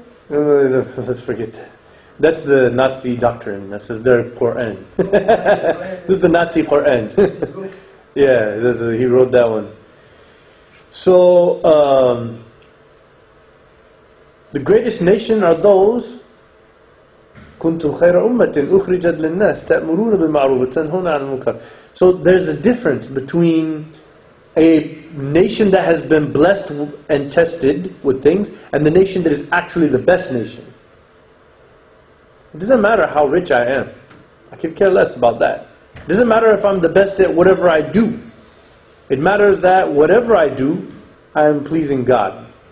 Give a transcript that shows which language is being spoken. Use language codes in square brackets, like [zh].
[en] No, let's forget that. That's the Nazi doctrine. That says their Quran. This is the Nazi Quran. Yeah, he wrote that one. So, the greatest nation are those. [ar] كنتم خير أمة أخرجت للناس تأمرون بالمعروف وتنهون عن المنكر. [en] So, there's a difference between a nation that has been blessed and tested with things, and the nation that is actually the best nation. It doesn't matter how rich I am. I could care less about that. It doesn't matter if I'm the best at whatever I do. It matters that whatever I do, I am pleasing God.